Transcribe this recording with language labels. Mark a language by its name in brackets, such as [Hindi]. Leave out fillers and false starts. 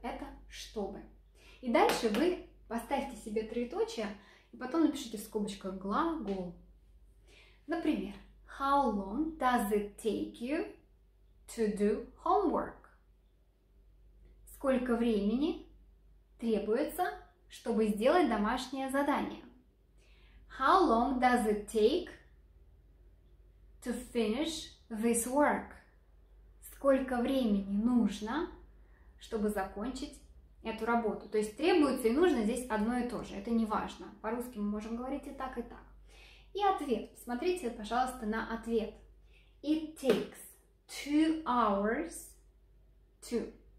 [Russian] Это чтобы. И дальше вы поставьте себе троеточие и потом напишите в скобочках глагол. Например, [English] how long does it take you to do homework? [Russian] Сколько времени требуется, чтобы сделать домашнее задание? [English] How long does it take to finish this work? [Russian] Сколько времени нужно, чтобы закончить эту работу? То есть требуется и нужно здесь одно и то же. Это не важно. По-русски мы можем говорить и так, и так. И ответ. Посмотрите, пожалуйста, на ответ. [English] It takes 2 hours to.